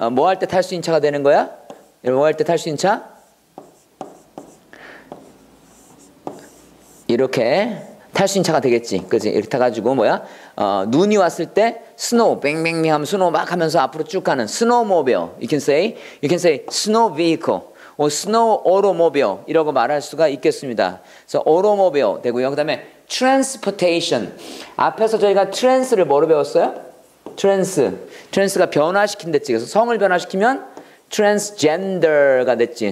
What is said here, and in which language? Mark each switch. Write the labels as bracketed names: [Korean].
[Korean] 뭐 할 때 탈 수 있는 차가 되는 거야? 뭐 할 때 탈 수 있는 차? 이렇게 탈 수 있는 차가 되겠지. 그치? 이렇게 타가지고 뭐야? 눈이 왔을 때 스노우 뱅뱅뱅 하면 스노우 막 하면서 앞으로 쭉 가는 스노우모빌. [English] You can say snow vehicle. [Korean] 스노우 오토모빌 이라고 말할 수가 있겠습니다. 그래서 오토모빌 되고요. 그 다음에 트랜스포테이션. 앞에서 저희가 트랜스를 뭐로 배웠어요? 트랜스. 트랜스가 변화시킨댔지. 그래서 성을 변화시키면 트랜스젠더가 됐지.